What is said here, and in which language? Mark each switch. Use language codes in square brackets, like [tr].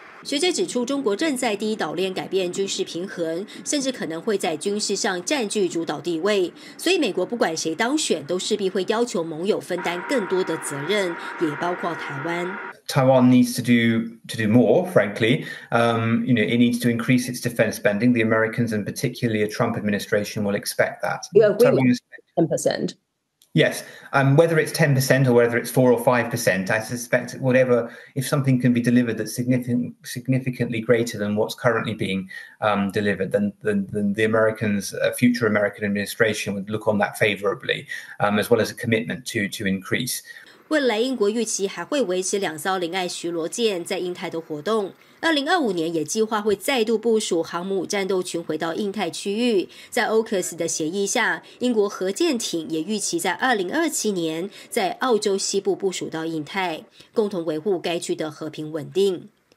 [zh] 学者指出，中国正在第一岛链改变军事平衡，甚至可能会在军事上占据主导地位。所以，美国不管谁当选，都势必会要求盟友分担更多的责任，也包括台湾。 [en] Taiwan needs to do more, frankly. You know, it needs to increase its defense spending. The Americans, and particularly the Trump administration, will expect that. You agree with 10%? Yes. Whether it's 10% or whether it's 4 or 5%, I suspect whatever, if something can be delivered that's significantly greater than what's currently being delivered, then the Americans, future American administration would look on that favorably, as well as a commitment to increase. [zh] 未来英国预期还会维持两艘零爱巡逻舰在印太的活动，2025年也计划会再度部署航母战斗群回到印太区域。在 AUKUS 的协议下，英国核舰艇也预期在2027年在澳洲西部部署到印太，共同维护该区的和平稳定。